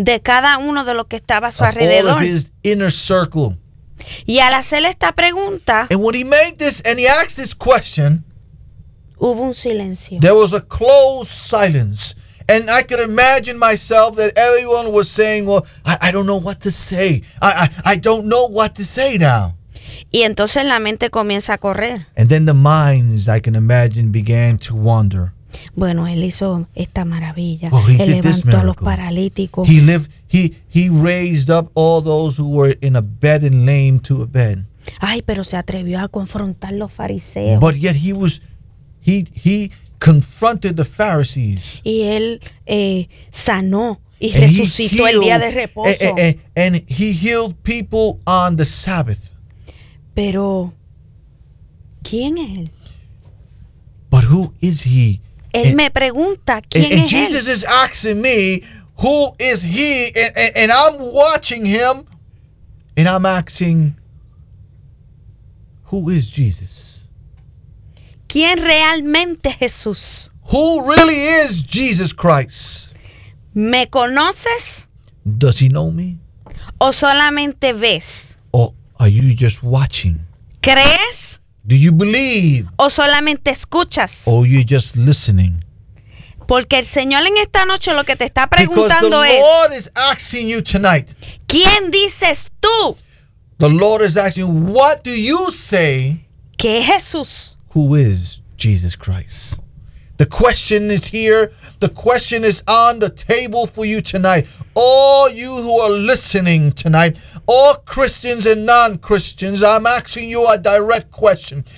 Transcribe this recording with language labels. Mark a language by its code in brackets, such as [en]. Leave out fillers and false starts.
[es] De cada uno de los que estaba a su alrededor. [en] All of his inner circle. [es] Y al hacerle esta pregunta. [en] And when he made this and he asked this question. [es] Hubo un silencio. [en] There was a close silence. And I could imagine myself that everyone was saying, well, I don't know what to say. I don't know what to say now. [es] Y entonces la mente comienza a correr. [en] And then the minds, I can imagine, began to wander. [es] Bueno, él hizo esta maravilla. [en] Well, [es] él levantó a los paralíticos. [en] He raised up all those who were in a bed and lame to a bed. [es] Ay, pero se atrevió a confrontar los fariseos. [en] But yet he confronted the Pharisees. [es] Y él sanó y resucitó el día de reposo. [en] And he healed people on the Sabbath. [es] Pero ¿quién es él? [en] But who is he? [es] Él me pregunta quién es él. [en] And Jesus is asking me, who is he? And I'm watching him, and I'm asking, who is Jesus? [es] ¿Quién realmente es Jesús? [en] Who really is Jesus Christ? [es] ¿Me conoces? [en] Does he know me? [es] ¿O solamente ves? [en] Or are you just watching? [es] ¿Crees? [en] Do you believe? [es] ¿O solamente escuchas? [en] Or are you just listening? [es] Porque el Señor en esta noche lo que te está preguntando es. [en] Because the Lord is asking you tonight. [es] ¿Quién dices tú? [en] The Lord is asking, what do you say? [es] ¿Qué es Jesús? [en] Who is Jesus Christ? The question is here. The question is on the table for you tonight. All you who are listening tonight, all Christians and non-Christians, I'm asking you a direct question.